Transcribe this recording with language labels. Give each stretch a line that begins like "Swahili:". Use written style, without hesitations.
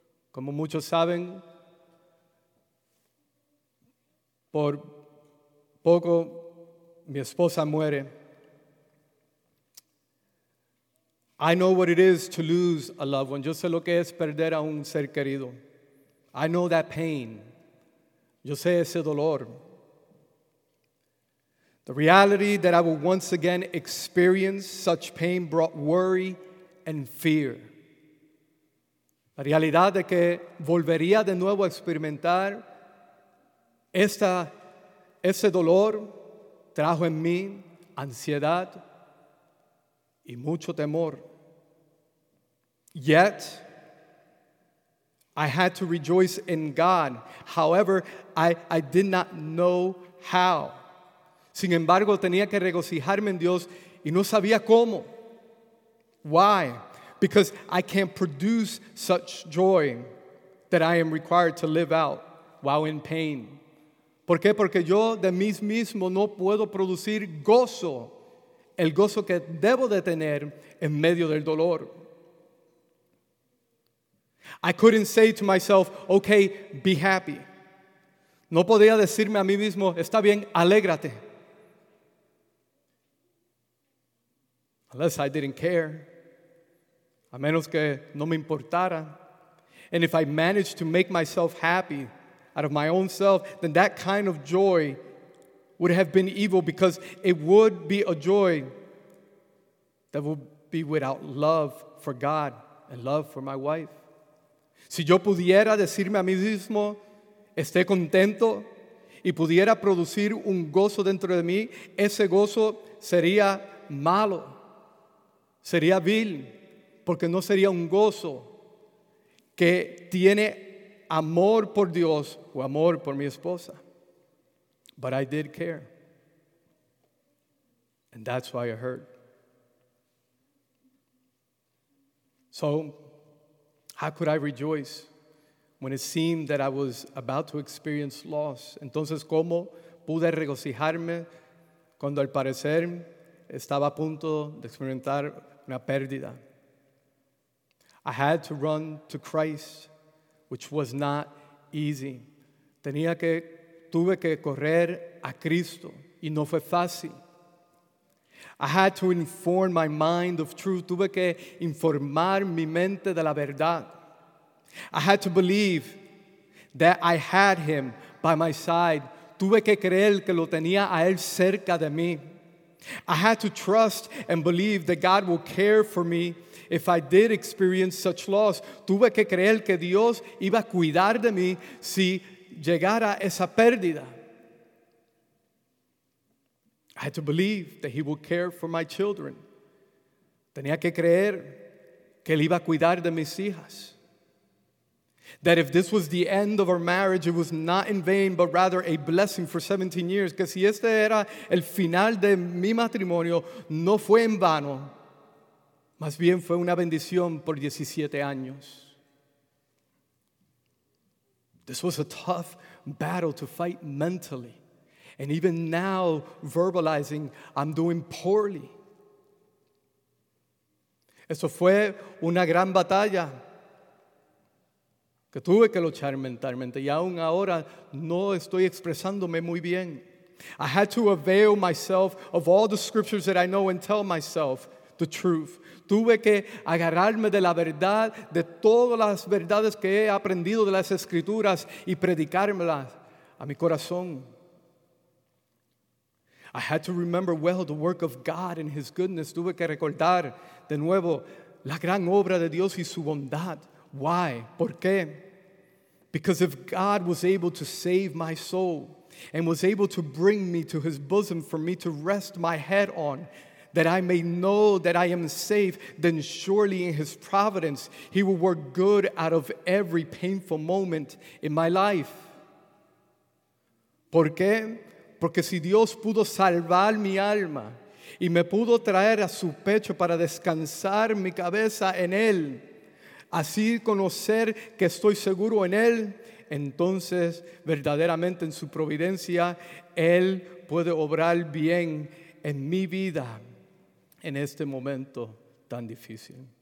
Spanish: Como muchos saben, por poco mi esposa muere.
English: I know what it is to lose a loved one.
Spanish: Yo sé lo que es perder a un ser querido.
English: I know that pain.
Spanish: Yo sé ese dolor.
English: The reality that I will once again experience such pain brought worry and fear.
Spanish: La realidad de que volvería de nuevo a experimentar ese dolor trajo en mí ansiedad y mucho temor.
English: Yet, I had to rejoice in God. However, I did not know how.
Spanish: Sin embargo, tenía que regocijarme en Dios y no sabía cómo.
English: Why? Because I can't produce such joy that I am required to live out while in pain.
Spanish: ¿Por qué? Porque yo de mí mismo no puedo producir gozo, el gozo que debo de tener en medio del dolor.
English: I couldn't say to myself, "Okay, be happy."
Spanish: No podía decirme a mí mismo, "Está bien, alégrate."
English: Unless I didn't care.
Spanish: A menos que no me importara.
English: And if I managed to make myself happy out of my own self, then that kind of joy would have been evil, because it would be a joy that would be without love for God and love for my wife.
Spanish: Si yo pudiera decirme a mí mismo, "Esté contento," y pudiera producir un gozo dentro de mí, ese gozo sería malo, sería vil, porque no sería un gozo que tiene amor por Dios o amor por mi esposa.
English: But I did care. And that's why I hurt. So, how could I rejoice when it seemed that I was about to experience loss?
Spanish: Entonces, ¿cómo pude regocijarme cuando al parecer estaba a punto de experimentar una pérdida?
English: I had to run to Christ, which was not easy.
Spanish: Tuve que correr a Cristo, y no fue fácil.
English: I had to inform my mind of truth.
Spanish: Tuve que informar mi mente de la verdad.
English: I had to believe that I had Him by my side.
Spanish: Tuve que creer que lo tenía a Él cerca de mí.
English: I had to trust and believe that God will care for me if I did experience such loss.
Spanish: Tuve que creer que Dios iba a cuidar de mí si llegara esa pérdida.
English: I had to believe that he would care for my children.
Spanish: Tenía que creer que él iba a cuidar de mis hijas.
English: That if this was the end of our marriage, it was not in vain, but rather a blessing for 17 years.
Spanish: Que si este era el final de mi matrimonio, no fue en vano. Más bien fue una bendición por 17 años.
English: This was a tough battle to fight mentally. And even now, verbalizing, I'm doing poorly.
Spanish: Eso fue una gran batalla que tuve que luchar mentalmente. Y aún ahora no estoy expresándome muy bien.
English: I had to avail myself of all the scriptures that I know and tell myself the truth.
Spanish: Tuve que agarrarme de la verdad, de todas las verdades que he aprendido de las escrituras y predicármelas a mi corazón.
English: I had to remember well the work of God and his goodness.
Spanish: Tuve que recordar de nuevo la gran obra de Dios y su bondad.
English: Why?
Spanish: ¿Por qué?
English: Because if God was able to save my soul and was able to bring me to his bosom for me to rest my head on, that I may know that I am safe, then surely in his providence he will work good out of every painful moment in my life.
Spanish: ¿Por qué? Porque si Dios pudo salvar mi alma y me pudo traer a su pecho para descansar mi cabeza en él, así conocer que estoy seguro en él, entonces verdaderamente en su providencia, él puede obrar bien en mi vida en este momento tan difícil.